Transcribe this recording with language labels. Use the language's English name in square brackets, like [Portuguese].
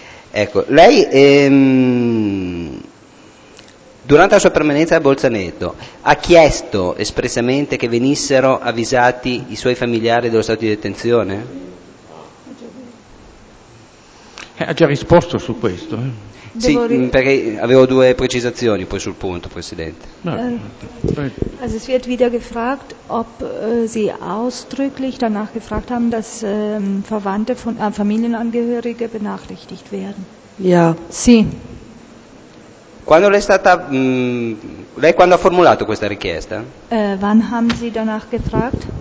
[Italian] Ecco, lei durante la sua permanenza a Bolzaneto ha chiesto espressamente che venissero avvisati i suoi familiari dello stato di detenzione? Ha già risposto su questo. Sì, perché avevo due precisazioni poi sul punto, Presidente. [German] Also es wird wieder gefragt, ob Sie ausdrücklich danach gefragt haben, dass Verwandte von Familienangehörige benachrichtigt werden. Ja. [Italian] Sì. Quando lei è stata lei quando ha formulato questa richiesta? [German] Wann haben Sie danach gefragt?